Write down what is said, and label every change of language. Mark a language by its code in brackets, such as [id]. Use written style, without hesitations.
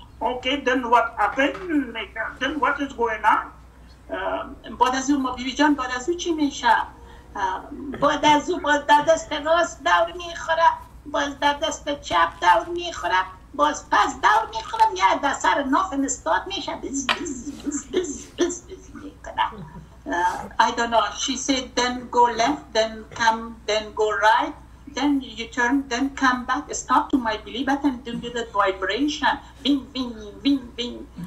[en] okay then what happened like, then what is going on [fa] بعد از اون ما بیبی جان بعد از اون چی میشه؟ بعد از اون باز در دست راست دور میخوره، باز در دست چپ دور میخوره، باز پس دور میخوره، یه در سر ناف استاد میشه بز بز بز بز بز بز میکنه. [en] I don't know, she said then go left, then come, then go right, then you turn, then come back, stop to my belly button, do the vibration, bing bing bing bing.